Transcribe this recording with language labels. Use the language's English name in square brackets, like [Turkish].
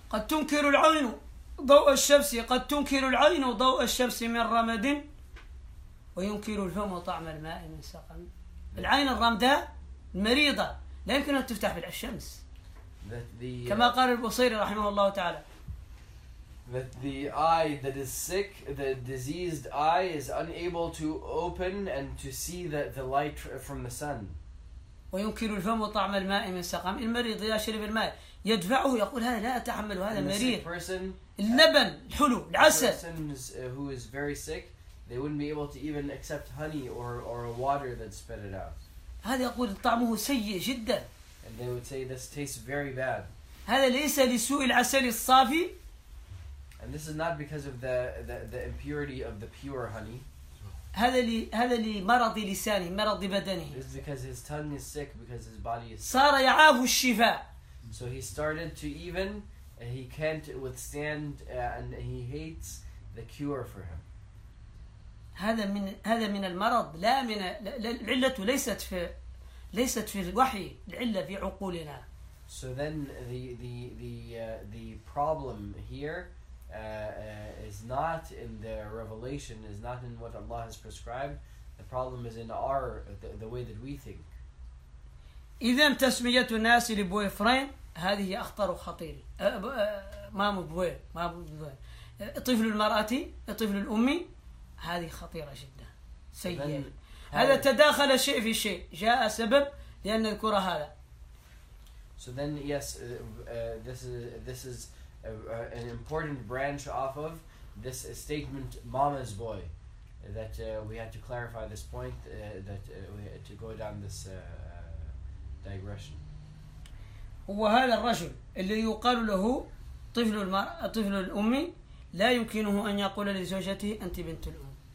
[Arabic] قد تنكر العين ضوء الشمس قد تنكر العين ضوء الشمس من رمد وينكر الفم طعم الماء من سقم العين الرمداء المريضة لا يمكن أن تفتح بالعين الشمس كما قال البصيري رحمه الله تعالى [English] That the eye that is sick, the diseased eye, is unable to open and to see the light from the sun. [Arabic] وينكر الفم وطعم الماء من سقم المريض إذا شرب الماء يدفعه يقول هذا لا أتحمل هذا مريض. [English] Person, [Arabic] اللبن الحلو العسل. [English] Persons who is very sick, they wouldn't be able to even accept honey or water that spit it out. [Arabic] هذا يقول طعمه سيء جدا. [English] And they would say this tastes very bad. [Arabic] هذا ليس لسوء العسل الصافي. [English] And this is not because of the impurity of the pure honey. [Arabic] هذا لي مرض لساني مرض بدني. [English] This is because his tongue is sick because his body is. [Arabic] صار يعاف الشفاء. [English] So he started to even he can't withstand and he hates the cure for him. [Arabic] هذا من هذا من المرض لا من العلة ليست في ليست في الوحي العلة في عقولنا. [English] So then the problem here is not in the revelation, is not in what Allah has prescribed. The problem is in our the way that we think. [Arabic] إذا تسمية الناس لبويفرين هذه أخطر وخطير ما مبوي طفل المرأة طفل الأم هذه خطيرة جدا سيئة هذا تداخل شيء في شيء جاء سبب لأن الكرة هذا. [English] So then yes, this is an important branch off of this statement mama's boy that we had to clarify this point that we had to go down this digression. [Arabic] هو هذا الرجل اللي يقال له طفل المرأة طفل الأم لا يمكنه أن يقول لزوجته أنت بنت الأم.